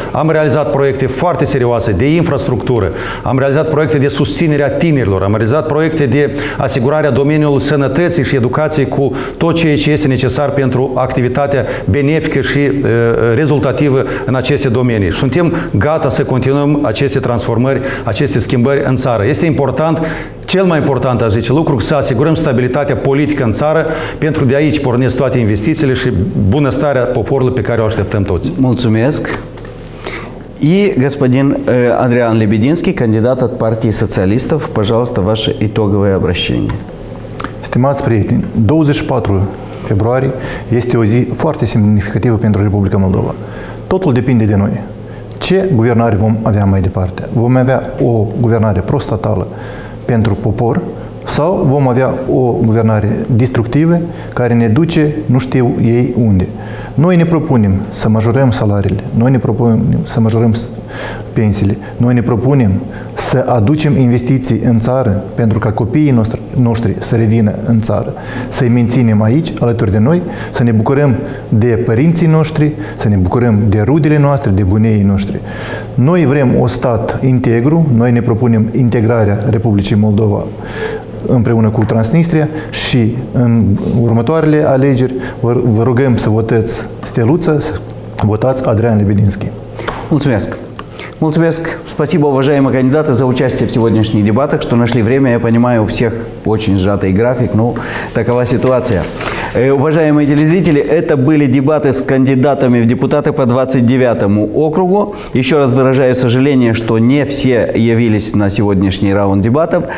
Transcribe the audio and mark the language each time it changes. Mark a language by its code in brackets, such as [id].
[ro] Am realizat proiecte foarte serioase de infrastructură, am realizat proiecte de susținere a tinerilor, am realizat proiecte de asigurare a domeniului sănătății și educației cu tot ceea ce este necesar pentru activitatea benefică și rezultativă în aceste domenii. Suntem gata să continuăm aceste transformări, aceste schimbări în țară. Este important, cel mai important, aș zice, lucru, să asigurăm stabilitatea politică în țară, pentru de aici pornesc toate investițiile și bunăstarea poporului pe care o așteptăm toți. Mulțumesc. [ru] И господин Адриан Лебединский, кандидат от партии социалистов, пожалуйста, ваше итоговое обращение. [ro] Стимați prieteni, 24 februarie este o zi foarte semnificativă pentru Republica Moldova. Totul depinde de noi. Ce guvernare vom avea mai departe? Vom avea o guvernare prostatală pentru popor, sau vom avea o guvernare destructivă care ne duce nu știu ei unde. Noi ne propunem să majorăm salariile, noi ne propunem să majorăm pensiile, noi ne propunem să aducem investiții în țară pentru ca copiii noștri să revină în țară, să-i menținem aici, alături de noi, să ne bucurăm de părinții noștri, să ne bucurăm de rudele noastre, de buneii noștri. Noi vrem un stat integru, noi ne propunem integrarea Republicii Moldova împreună cu Transnistria și în următoarele alegeri vă rugăm să votați steluță, să votați Adrian Lebedinski. Mulțumesc! [ru] Мульцвеск, спасибо, уважаемые кандидаты, за участие в сегодняшних дебатах, что нашли время. Я понимаю, у всех очень сжатый график, но такова ситуация. Уважаемые телезрители, это были дебаты с кандидатами в депутаты по 29-му округу. Еще раз выражаю сожаление, что не все явились на сегодняшний раунд дебатов.